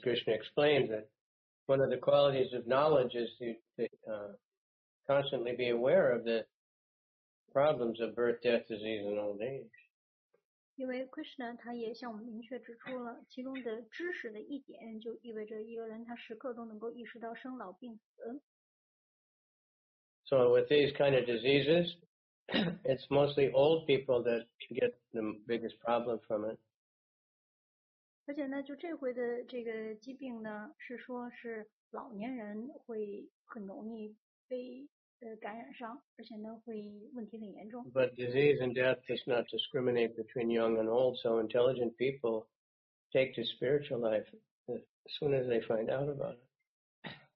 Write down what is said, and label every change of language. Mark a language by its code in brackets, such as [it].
[en] Krishna explains that one of the qualities of knowledge is to constantly be aware of the problems of birth, death, disease, and old age. [zh] 因为 Krishna 他也向我们明确指出了其中的知识的一点，就意味着一个人他时刻都能够意识到生老病死。So [en] with these kind of diseases, it's mostly old people that get the biggest problem from it. [zh] 而且呢，就这回的这个疾病呢，是说是老年人会很容易被感染上。 [en] But disease and death does not discriminate between young and old, so intelligent people take to spiritual life as soon as they find out about it.